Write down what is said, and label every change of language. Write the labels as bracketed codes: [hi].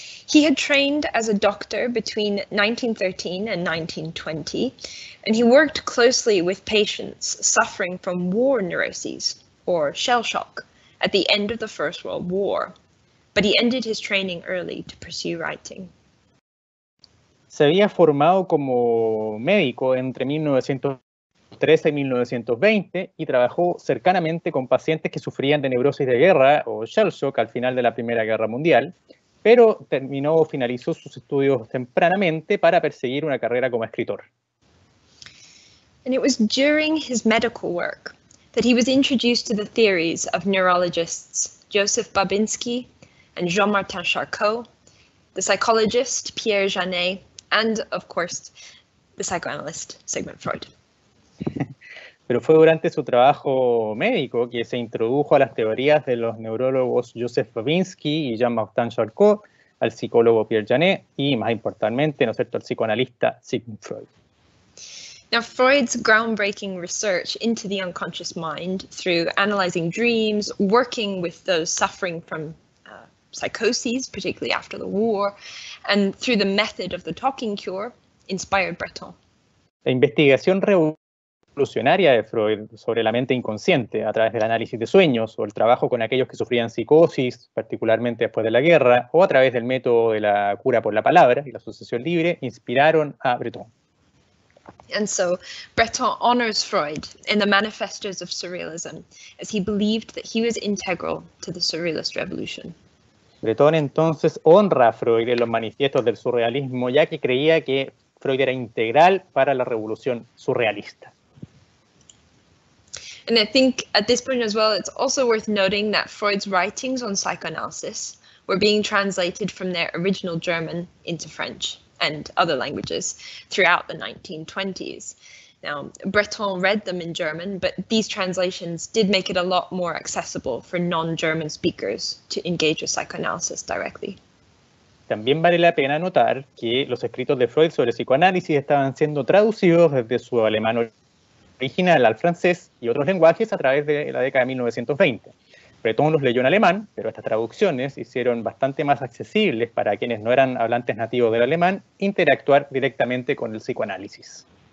[en] He had trained as a doctor between 1913 and 1920, and he worked closely with patients suffering from war neuroses, or shell shock, at the end of the First World War. But he ended his training early to pursue writing. [es] Se había formado como médico entre 1913 y 1920 y trabajó cercanamente con pacientes que sufrían de neurosis de guerra o shell shock al final de la Primera Guerra Mundial. Pero terminó o finalizó sus estudios tempranamente para perseguir una carrera como escritor. [en] And it was during his medical work that he was introduced to the theories of neurologists Joseph Babinski and Jean-Martin Charcot, the psychologist Pierre Janet, and of course the psychoanalyst Sigmund Freud. [es] Pero fue durante su trabajo médico que se introdujo a las teorías de los neurólogos Joseph Babinski y Jean-Martin Charcot, al psicólogo Pierre Janet y, más importantemente, ¿no es cierto?, al psicoanalista Sigmund Freud. [en] Now, Freud's groundbreaking research into the unconscious mind through analyzing dreams, working with those suffering from psychoses, particularly after the war, and through the method of the talking cure, inspired Breton. [es] La investigación revolucionaria de Freud sobre la mente inconsciente a través del análisis de sueños o el trabajo con aquellos que sufrían psicosis, particularmente después de la guerra, o a través del método de la cura por la palabra y la asociación libre, inspiraron a Breton. [en] And so, Breton honors Freud in the manifestos of surrealism, as he believed that he was integral to the surrealist revolution. [es] Breton entonces honra a Freud en los manifiestos del surrealismo, ya que creía que Freud era integral para la revolución surrealista. [en] And I think at this point as well, it's also worth noting that Freud's writings on psychoanalysis were being translated from their original German into French and other languages throughout the 1920s. Now, Breton read them in German, but these translations did make it a lot more accessible for non-German speakers to engage with psychoanalysis directly. [es] También vale la pena notar que los escritos de Freud sobre psicoanálisis estaban siendo traducidos desde su alemán original al francés y otros lenguajes a través de la década de 1920. Breton los leyó en alemán, pero estas traducciones hicieron bastante más accesibles para quienes no eran hablantes nativos del alemán interactuar directamente con el psicoanálisis.